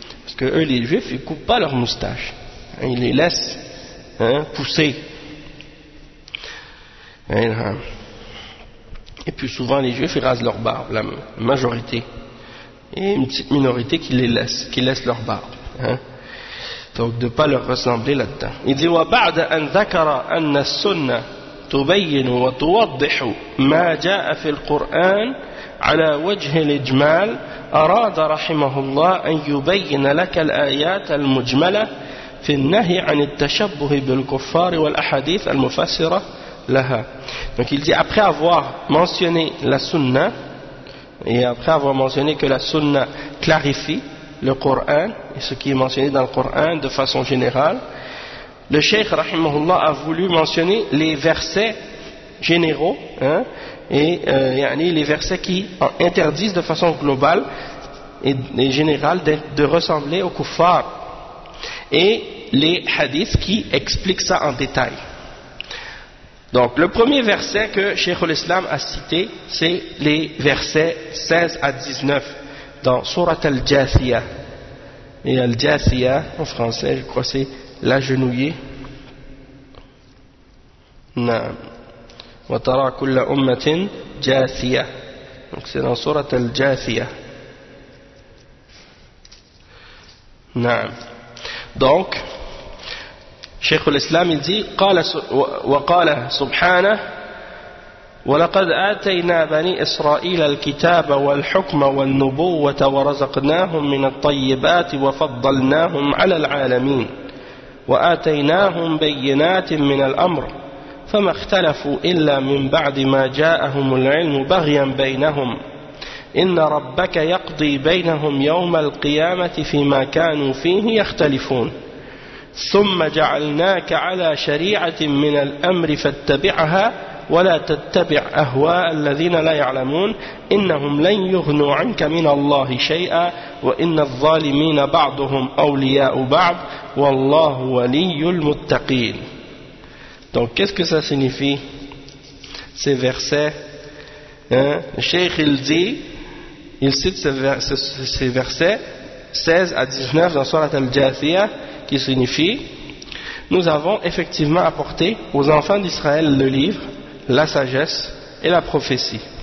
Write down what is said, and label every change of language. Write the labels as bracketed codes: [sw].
[fr] Parce que eux, les juifs, ils ne coupent pas leurs moustaches. Ils les laissent pousser. Et puis souvent, les juifs, ils rasent leurs barbes, la majorité. Et une petite minorité qui laisse leurs barbes. Donc de ne pas leur ressembler là-dedans. Il dit [ar] « وبعد أن ذكر أن السنة » تبين وتوضح ما جاء في القرآن على وجه الإجمال أراد رحمه الله أن يبين لك الآيات المجملة في النهي عن التشبه بالكفار والأحاديث المفسرة لها. [fr] Donc il dit, après avoir mentionné la sunna et après avoir mentionné que la sunna clarifie le Coran et ce qui est mentionné dans le Coran de façon générale, Le Cheikh rahimahullah a voulu mentionner les versets généraux, hein, et yani les versets qui interdisent de façon globale et générale de ressembler aux kuffar, et les hadiths qui expliquent ça en détail. Donc le premier verset que Cheikh al-Islam a cité, c'est les versets 16 à 19 dans Surat al-Jathiya. Et al-Jathiya en français, je crois, c'est l'agenouillé. [ar] Naam. Wa tara kulla ummatin jathiya. [fr] Donc c'est dans Surat al-Jathiya. [ar] Naam. Donc شيخ الإسلام الذي قال وقال سبحانه ولقد آتينا بني إسرائيل الكتاب والحكم والنبوة ورزقناهم من الطيبات وفضلناهم على العالمين وآتيناهم بينات من الأمر فما اختلفوا إلا من بعد ما جاءهم العلم بغيا بينهم إن ربك يقضي بينهم يوم القيامة فيما كانوا فيه يختلفون ثم جعلناك على شريعة من الأمر فاتبعها ولا تتبع أهواء الذين لا يعلمون إنهم لن يغنوا عنك من الله شيئا وإن الظالمين بعضهم أولياء بعض والله ولي المتقين. [fr] Donc qu'est-ce que ça signifie ces versets, hein? Cheikh il dit, il cite ces versets 16 à 19 dans Sourate Al-Jathiya, qui signifie « Nous avons effectivement apporté aux enfants d'Israël le livre, la sagesse et la prophétie.